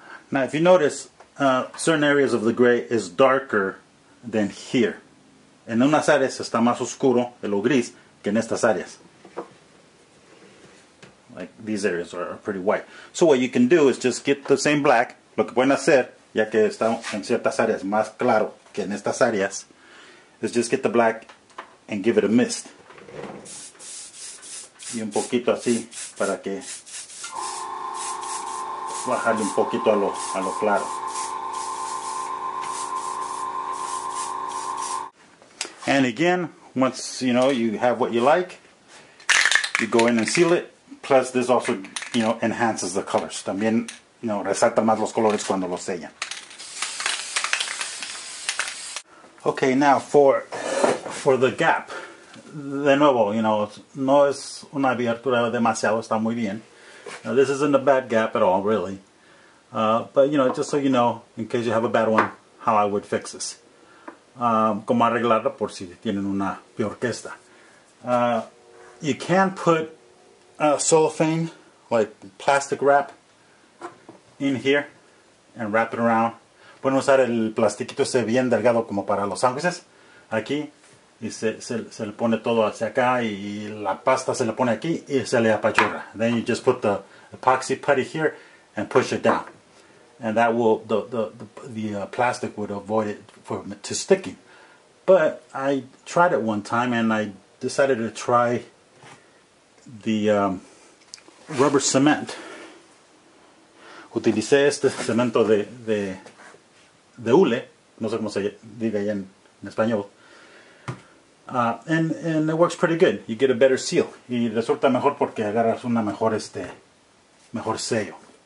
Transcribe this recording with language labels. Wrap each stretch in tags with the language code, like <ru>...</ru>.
<en>Now, if you notice, certain areas of the gray is darker than here.</en> <es>En unas áreas está más oscuro el gris que en estas áreas.</es> <en>Like these areas are pretty white. So what you can do is just get the same black.</en> <es>Lo que pueden hacer, ya que está en ciertas áreas más claro que en estas áreas,</es> <en>is just get the black and give it a mist.</en> <es>Y un poquito así para que bajarle un poquito a lo claro.</es> <en>And again, once you know you have what you like, you go in and seal it. Plus, this also enhances the colors.</en> <es>También resalta más los colores cuando lo sellan.</es> <en>Okay, now for the gap.</en> <es>De nuevo, no es una abertura demasiado, está muy bien.</es> <en>Now, this isn't a bad gap at all, really. But just so you know, in case you have a bad one, how I would fix this.</en> <es>Como arreglarla por si tienen una peor que esta.</es> <en>You can put cellophane, like plastic wrap, in here and wrap it around.</en> <es>pueden usar el plastiquito ese bien delgado como para los sándwiches. Aquí y se le pone todo hacia acá y la pasta se le pone aquí y se le apachurra.</es> <en>Then you just put the epoxy putty here and push it down. And that will, the plastic would avoid it from to sticking. But I tried it one time and I decided to try the rubber cement.</en> <es>Utilicé este cemento de hule, no sé cómo se diga ya en español.</es> <en>And it works pretty good. You get a better seal.</en> <es>Y resulta mejor porque agarras una mejor mejor sello.</es>